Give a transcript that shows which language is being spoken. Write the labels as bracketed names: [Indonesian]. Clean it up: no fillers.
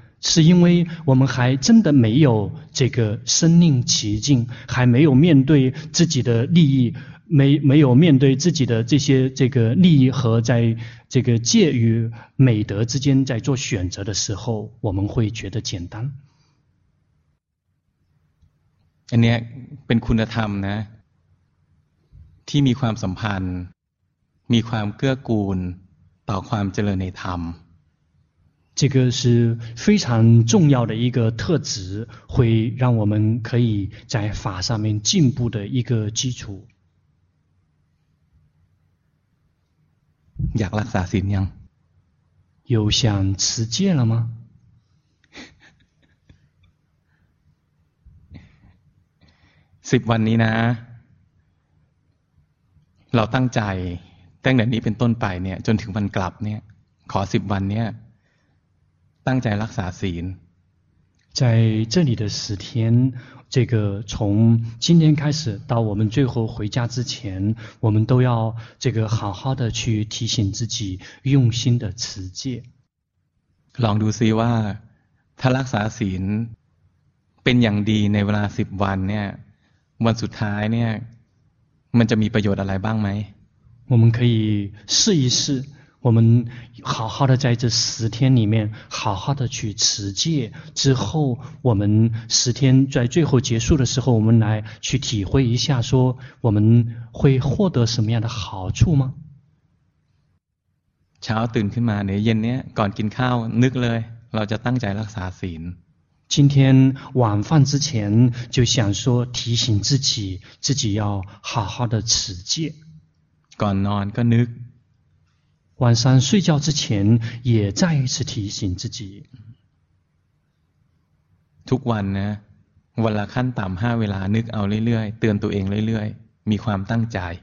[Chinese] 是因为我们还真的没有这个身临其境，还没有面对自己的利益，没有面对自己的这些这个利益和在这个戒与美德之间在做选择的时候，我们会觉得简单。 [Thai] อันนี้เป็นคุณธรรมนะที่มีความสัมพันธ์มีความเกื้อกูลต่อความเจริญในธรรม [Chinese] 这个是非常重要的一个特质，会让我们可以在法上面进步的一个基础。 [Thai] อยากรักษาศีลยัง [Chinese] 有想持戒了吗？ [Thai] สิบวันนี้นะเราตั้งใจตั้งแต่นี้เป็นต้นไปเนี่ยจนถึงวันกลับเนี่ยขอสิบวันเนี่ยตั้งใจรักษาศีล [Chinese] 在这里的十天，这个从今天开始到我们最后回家之前，我们都要这个好好的去提醒自己用心的持戒。 [Thai] ลองดูซิว่าถ้ารักษาศีลเป็นอย่างดีในเวลาสิบวันเนี่ยวันสุดท้ายเนี่ยมันจะมีประโยชน์อะไรบ้างไหม [Chinese] 我们可以试一试我们好好的在这十天里面好好的去持戒之后我们十天在最后结束的时候我们来去体会一下说我们会获得什么样的好处吗 [Thai] เช้าตื่นขึ้นมาเนี่ยเย็นเนี้ยก่อนกินข้าวนึกเลยเราจะตั้งใจรักษาศีล [Chinese] 今天晚饭之前就想说提醒自己自己要好好的持戒 [Thai] ก่อนนอนก็นึก [Chinese] 晚上睡觉之前也再一次提醒自己 [Thai] ทุกวันนะวันละขั้นต่ำห้าเวลานึกเอาเรื่อยๆเตือนตัวเองเรื่อยๆมีความตั้งใจ